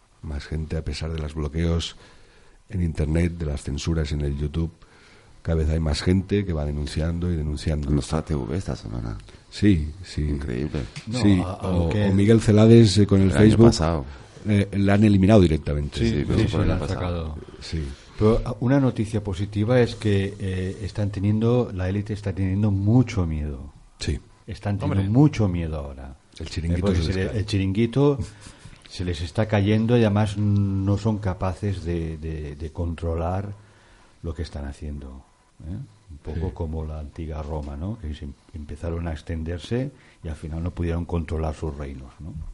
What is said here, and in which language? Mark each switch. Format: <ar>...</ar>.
<es>Más gente a pesar de los bloqueos en internet, de las censuras en el YouTube. Cada vez hay más gente que va denunciando y denunciando. ¿No está TV esta semana? Sí, sí. Increíble. Sí, o Miguel Celades con el Facebook. El año pasado.</es> <ca>L'han eliminat directament. Sí, sí, sí, sí, sí. Però una notícia positiva és que estan teniendo, la élite està teniendo mucho miedo. Sí.</ca> <es>Están teniendo mucho miedo ahora. El chiringuito el chiringuito se les está cayendo y además no son capaces de controlar lo que están haciendo, ¿eh? Un poco sí. Como la antigua Roma, ¿no? Que empezaron a extenderse y al final no pudieron controlar sus reinos, ¿no?</es>